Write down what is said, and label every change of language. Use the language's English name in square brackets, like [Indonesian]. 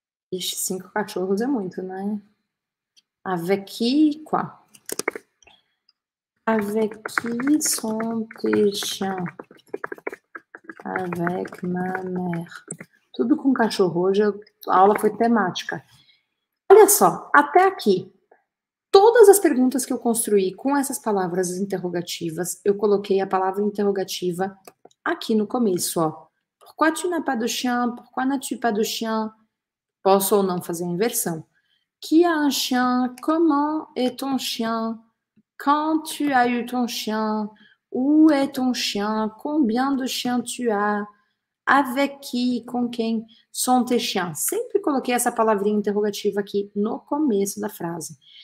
[Portuguese] Ixi, cinco cachorros é muito, né? [French] Avec qui, quoi? Avec qui sont tes chiens? Avec ma mère. [Portuguese] Tudo com cachorro. Hoje a aula foi temática. Olha só, até aqui. Todas as perguntas que eu construí com essas palavras interrogativas, eu coloquei a palavra interrogativa aqui no começo, ó. [French] Pourquoi tu n'as pas de chien? Pourquoi n'as-tu pas de chien? [Portuguese] Posso ou não fazer a inversão. [French] Qui a un chien? Comment est ton chien? Quand tu as eu ton chien? Où est ton chien? Combien de chiens tu as? Avec qui? [Portuguese] Com quem? [French] Sont tes chiens? [Portuguese] Sempre coloquei essa palavrinha interrogativa aqui no começo da frase.